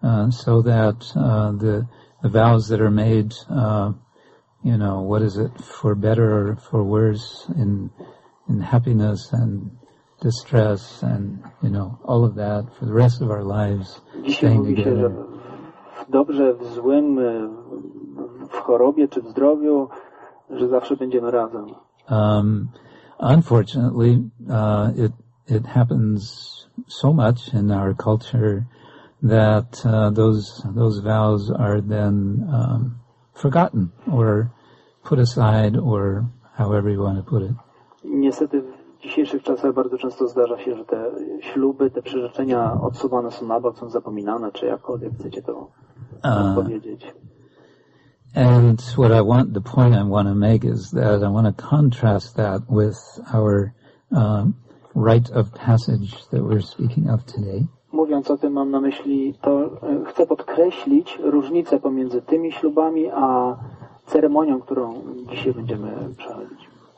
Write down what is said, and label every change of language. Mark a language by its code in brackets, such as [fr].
[en] So that the vows that are made, you know, what is it, for better or for worse, in happiness and distress and, you know, all of that for the rest of our lives. [pl] Dzisiaj mówi się, że w dobrze, w złym, w chorobie czy w zdrowiu, że zawsze będziemy razem. [en] unfortunately, it happens so much in our culture that those vows are then forgotten or put aside, or however you want to put it. [pl] Niestety w dzisiejszych czasach bardzo często zdarza się, że te śluby, te przyrzeczenia odsuwane są na bok, są zapominane, czy jakkolwiek chcecie to powiedzieć. [en] And what I want, the point I want to make is that I want to contrast that with our rite of passage that we're speaking of today. [pl] Mówiąc o tym, mam na myśli to, chcę podkreślić różnicę pomiędzy tymi ślubami a ceremonią, którą dzisiaj będziemy przechodzić.